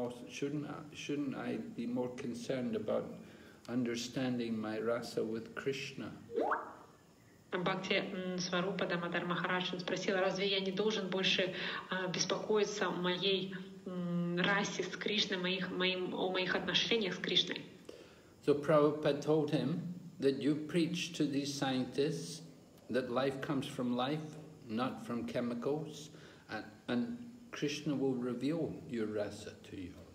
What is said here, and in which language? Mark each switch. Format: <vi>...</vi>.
<en>Shouldn't I be more concerned about understanding my rasa with Krishna?</en> <ru>Бхакти Сварупа Дамодар Махарадж спросил, разве я не должен больше беспокоиться о моей расе с Кришной, о моих отношениях с Кришной?</ru> <en>So Prabhupada told him that you preach to these scientists that life comes from life, not from chemicals, and Krishna will reveal your rasa to you.</en>